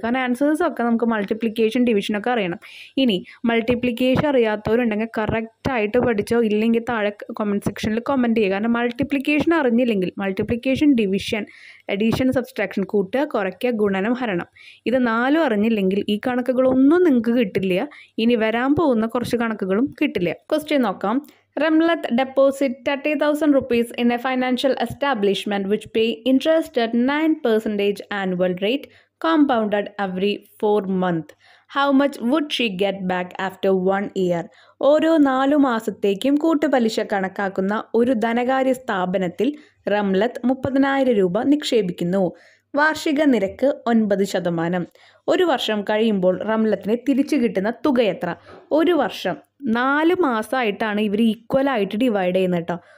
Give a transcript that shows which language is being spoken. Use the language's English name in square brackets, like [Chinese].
[Malayalam] കാരണം ആൻസേഴ്സൊക്കെ നമുക്ക് മൾട്ടിപ്ലിക്കേഷൻ ഡിവിഷനൊക്കെ അറിയണം. ഇനി മൾട്ടിപ്ലിക്കേഷൻ അറിയാത്തവരുണ്ടെങ്കിൽ കറക്റ്റായിട്ട് പഠിച്ചോ, ഇല്ലെങ്കിൽ താഴെ കമൻറ്റ് സെക്ഷനിൽ കമൻറ്റ് ചെയ്യുക. കാരണം multiplication അറിഞ്ഞില്ലെങ്കിൽ multiplication division, edition, subtraction, കൂട്ടുക, കുറയ്ക്കുക, ഗുണനം, ഹരണം, ഇത് 4 അറിഞ്ഞില്ലെങ്കിൽ ഈ കണക്കുകളൊന്നും നിങ്ങൾക്ക് കിട്ടില്ല. ഇനി വരാൻ പോകുന്ന കുറച്ച് കണക്കുകളും കിട്ടില്ല. ക്വസ്റ്റ്യൻ നോക്കാം. [English] Ramlat deposited 30,000 rupees in a financial establishment which pay interest at 9% annual rate compounded every 4 months. How much would she get back after 1 year? [Malayalam] ഓരോ 4 മാസത്തേക്കും കൂട്ടുപലിശ കണക്കാക്കുന്ന ഒരു ധനകാര്യ സ്ഥാപനത്തിൽ റംലത്ത് 30,000 രൂപ നിക്ഷേപിക്കുന്നു. വാർഷിക നിരക്ക് 9%. ഒരു വർഷം കഴിയുമ്പോൾ റംലത്തിന് തിരിച്ചു കിട്ടുന്ന തുക എത്ര? ഒരു വർഷം 4 മാസമായിട്ടാണ് ഇവർ ഈക്വലായിട്ട് ഡിവൈഡ് ചെയ്യുന്നത് കേട്ടോ.